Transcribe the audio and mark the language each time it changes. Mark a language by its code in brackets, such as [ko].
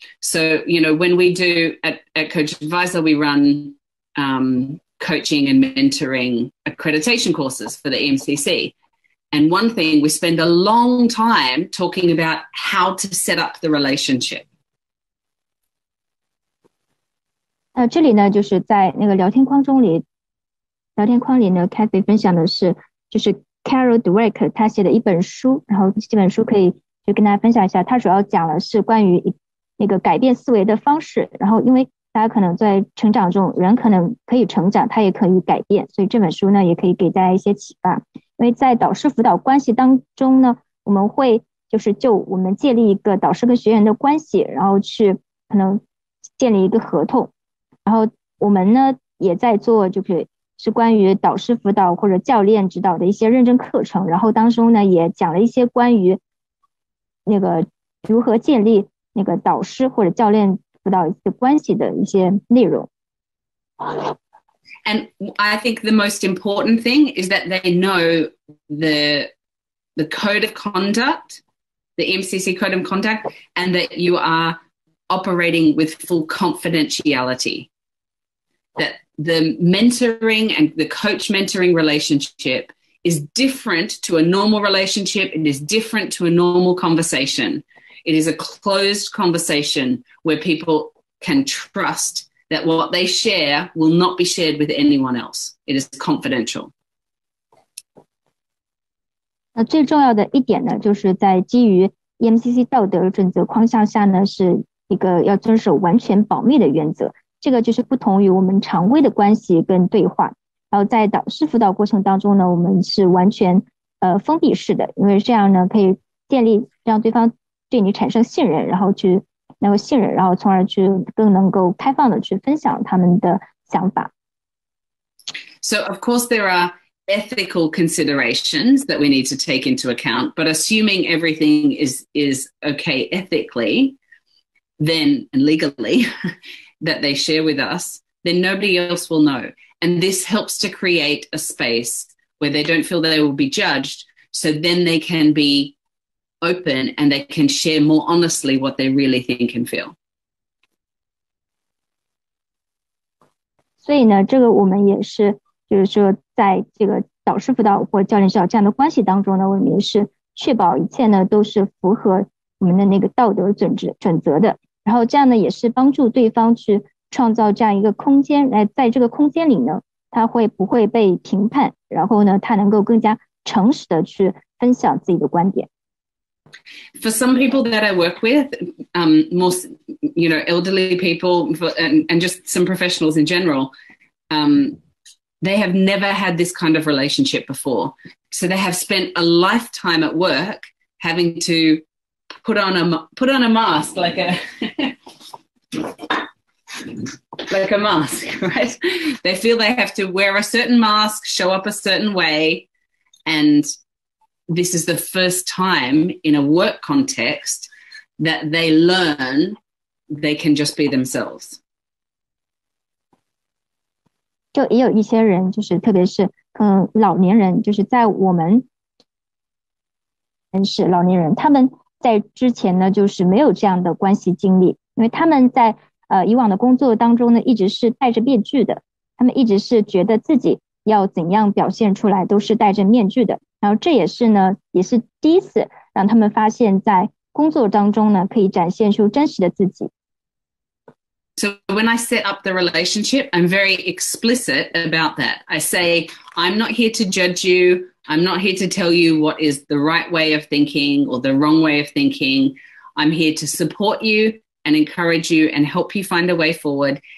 [en] So, you know, when we do at CoachAdviser, we run coaching and mentoring accreditation courses for the EMCC. And one thing, we spend a long time talking about how to set up the relationship. [zh] 这里呢，就是在那个聊天框中里，聊天框里呢 ，Kathy 分享的是，就是 Carol Dweck 他写的一本书，然后这本书可以就跟大家分享一下，他主要讲的是关于那个改变思维的方式，然后因为大家可能在成长中，人可能可以成长，他也可以改变，所以这本书呢也可以给大家一些启发。因为在导师辅导关系当中呢，我们会就是就我们建立一个导师跟学员的关系，然后去可能建立一个合同，然后我们呢也在做就是关于导师辅导或者教练指导的一些认证课程，然后当中呢也讲了一些关于那个如何建立那个导师或者教练辅导的关系的一些内容。 [en] And I think the most important thing is that they know the code of conduct, the MCC code of conduct, and that you are operating with full confidentiality. That the mentoring and the coach mentoring relationship is different to a normal relationship. It is different to a normal conversation. It is a closed conversation where people can trust that what they share will not be shared with anyone else. It is confidential. [zh] 那最重要的一点呢，就是在基于 EMCC 道德准则框架下呢，是一个要遵守完全保密的原则。这个就是不同于我们常规的关系跟对话。然后在导师辅导过程当中呢，我们是完全封闭式的，因为这样呢可以建立让对方对你产生信任，然后去能够信任，然后从而去更能够开放的去分享他们的想法。 [en] So of course there are ethical considerations that we need to take into account, but assuming everything is okay ethically, then and legally that they share with us, then nobody else will know. And this helps to create a space where they don't feel that they will be judged, so then they can be open and they can share more honestly what they really think and feel. [zh] 所以呢，这个我们也是，就是说在这个导师辅导或教练指导这样的关系当中呢，我们也是确保一切呢都是符合我们的那个道德准则的。然后这样呢也是帮助对方去创造这样一个空间，来在这个空间里呢他会不会被评判，然后呢他能够更加诚实的去分享自己的观点。 [en] For some people that I work with, most, you know, elderly people and just some professionals in general, they have never had this kind of relationship before. So they have spent a lifetime at work having to put on a mask, like a mask, right? They feel they have to wear a certain mask, show up a certain way, and this is the first time in a work context that they learn they can just be themselves. [zh] 就也有一些人，就是特别是老年人，就是在我们认识老年人，他们在之前呢就是没有这样的关系经历，因为他们在以往的工作当中呢一直是戴着面具的，他们一直是觉得自己要怎样表现出来都是戴着面具的，然后这也是呢也是第一次让他们发现在工作当中呢可以展现出真实的自己。 [en] So when I set up the relationship, I'm very explicit about that. I say, I'm not here to judge youI'm not here to tell you what is the right way of thinking or the wrong way of thinking. I'm here to support you and encourage you and help you find a way forward.